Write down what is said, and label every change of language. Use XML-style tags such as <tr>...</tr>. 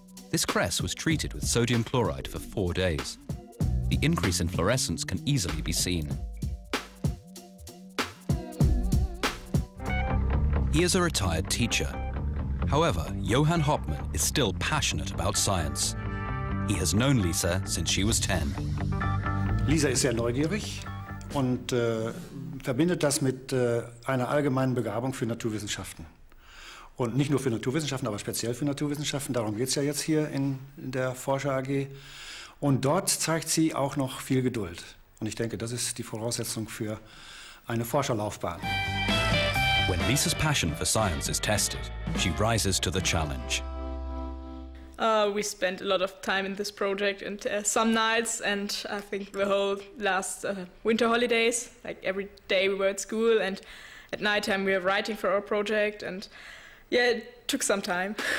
<en>This cress was treated with sodium chloride for 4 days. The increase in fluorescence can easily be seen. He is a retired teacher. However, Johan Hopman is still passionate about science. He has known Lisa since she was 10.</en> <de>Lisa ist sehr neugierig und verbindet das mit einer allgemeinen Begabung für Naturwissenschaften. Und nicht nur für Naturwissenschaften, aber speziell für Naturwissenschaften. Darum geht es ja jetzt hier in der Forscher AG. Und dort zeigt sie auch noch viel Geduld. Und ich denke, das ist die Voraussetzung für eine Forscherlaufbahn.</de> <en>When Lisa's passion for science is tested, she rises to the challenge. We spent a lot of time in this project and some nights, and I think the whole last winter holidays, like every day we were at school, and at night time we were writing for our project, and yeah, it took some time.</en>